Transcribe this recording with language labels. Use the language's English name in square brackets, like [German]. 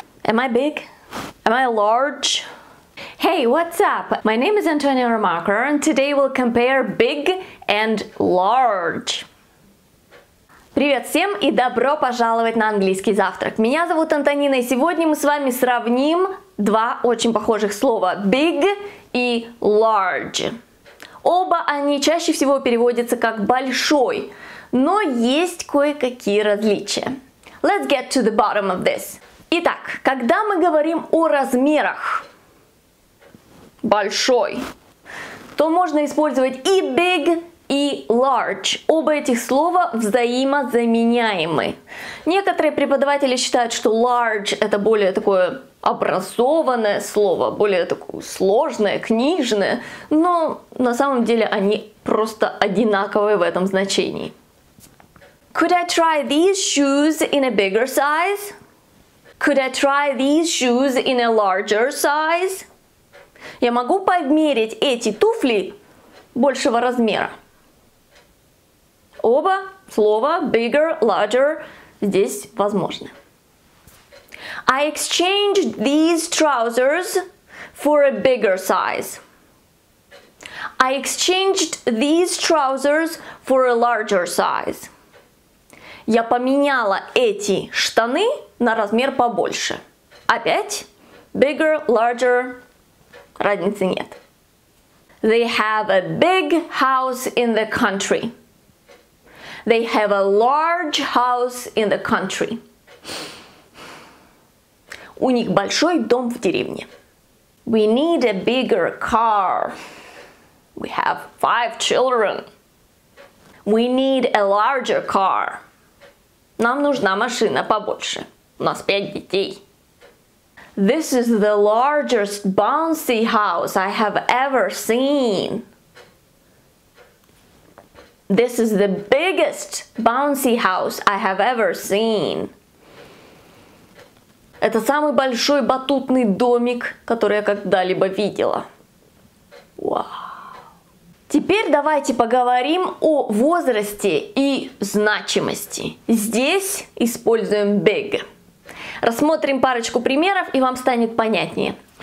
[English] Am I big? Am I large? Hey, what's up? My name is Antonia Ramacher and today we'll compare big and large. [Russian] Привет всем и добро пожаловать на английский завтрак. Меня зовут Антонина и сегодня мы с вами сравним два очень похожих слова big и large. Оба они чаще всего переводятся как большой, но есть кое-какие различия. [English] Let's get to the bottom of this. [Russian] Итак, когда мы говорим о размерах большой, то можно использовать и big, и large. Оба этих слова взаимозаменяемы. Некоторые преподаватели считают, что large это более такое образованное слово, более такое сложное, книжное, но на самом деле они просто одинаковые в этом значении. [English] Could I try these shoes in a bigger size? Could I try these shoes in a larger size? [Russian] Я могу померить эти туфли большего размера. Оба слова bigger, larger здесь возможны. [English] I exchanged these trousers for a bigger size. I exchanged these trousers for a larger size. [Russian] Я поменяла эти штаны на размер побольше. Опять bigger, larger, разницы нет. [English] They have a big house in the country. They have a large house in the country. [Russian] У них большой дом в деревне. [English] We need a bigger car. We have 5 children. We need a larger car. [Russian] Нам нужна машина побольше. У нас 5 детей. [English] This is the largest bouncy house I have ever seen. This is the biggest bouncy house I have ever seen. [Russian] Это самый большой батутный домик, который я когда-либо видела. [English] Wow. [Russian] Теперь давайте поговорим о возрасте и значимости. Здесь используем big. Рассмотрим парочку примеров, и вам станет понятнее.